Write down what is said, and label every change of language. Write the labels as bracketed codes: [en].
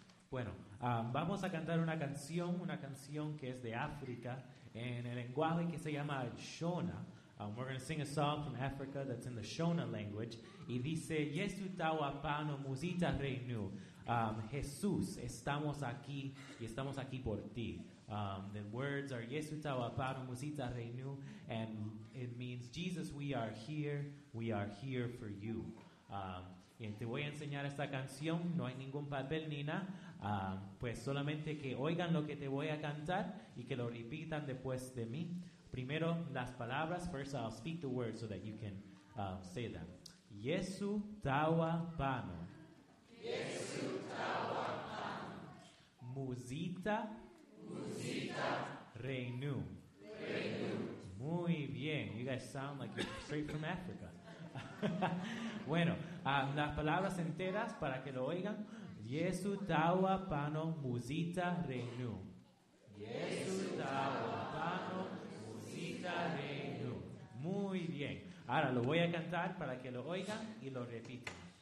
[es] Bueno, vamos a cantar una canción que es de África, en el lenguaje que se llama Shona. [en] We're going to sing a song from Africa that's in the Shona language. [es] Y dice, [sn] Yesu tawa pano musita reinu. [es] Jesús, estamos aquí por ti. [en] The words are, [sn] Yesu tawa pano musita reinu. [en] And it means, Jesus, we are here for you. [es] Y te voy a enseñar esta canción, no hay ningún papel ni nada. Pues solamente que oigan lo que te voy a cantar y que lo repitan después de mí. Primero las palabras. [en] First I'll speak the words so that you can say them. [sn] Yesu tawa pano. Yesu tawa pano. Musita. Musita. Reinu. Reinu. [es] Muy bien. [en] You guys sound like you're straight from Africa. [es] Bueno, las palabras enteras para que lo oigan. [sn] Yesu tawa pano musita reinu. Yesu tawa pano musita reinu. [es] Muy bien. Ahora lo voy a cantar para que lo oigan y lo repitan.